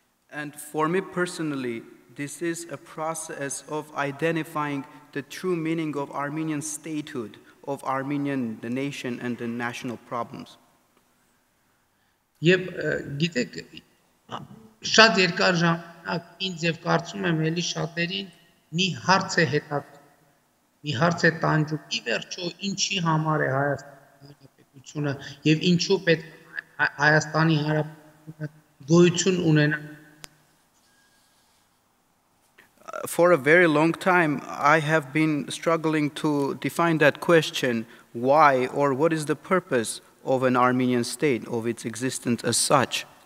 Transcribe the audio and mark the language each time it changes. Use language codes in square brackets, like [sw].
[en] And for me personally, this is a process of identifying the true meaning of Armenian statehood, of Armenian, the nation, and the national problems. [hy] Եվ գիտեք, շատ երկար ժամանակ ինձ եւ կարծում եմ ելի շատերին մի հարց է հետաքրքրում, մի հարց է տանջում, ի վերջո ինչի համար է Հայաստանի Հանրապետությունը եւ ինչու պետք Հայաստանի Հանրապետությունը գոյություն ունենա [en] For a very long time, I have been struggling to define that question, why or what is the purpose of an Armenian state, of its existence as such?